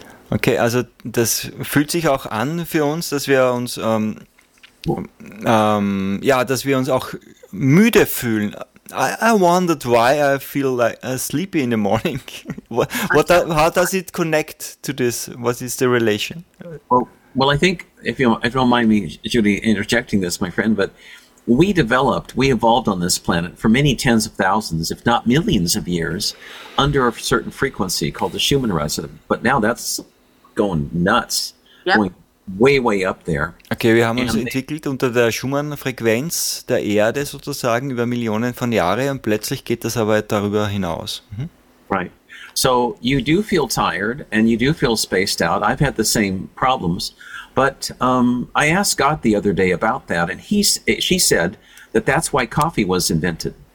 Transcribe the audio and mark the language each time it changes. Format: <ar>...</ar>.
<de>Okay, also das fühlt sich auch an für uns, dass wir uns dass wir uns auch müde fühlen.</de> <en>I wondered why I feel like sleepy in the morning. How does it connect to this? What is the relation? Well, I think if you don't mind me, Judy, interjecting this, my friend, but we evolved on this planet for many tens of thousands, if not millions of years, under a certain frequency called the Schumann resonance. But now that's going nuts, yep. Going way, way up there.</en> <de>Okay, wir haben uns entwickelt unter der Schumann-Frequenz der Erde sozusagen über Millionen von Jahren und plötzlich geht das aber darüber hinaus.</de> <en>Mhm. Right. So you do feel tired and you do feel spaced out. I've had the same problems. But I asked God the other day about that, and she said that that's why coffee was invented.</en>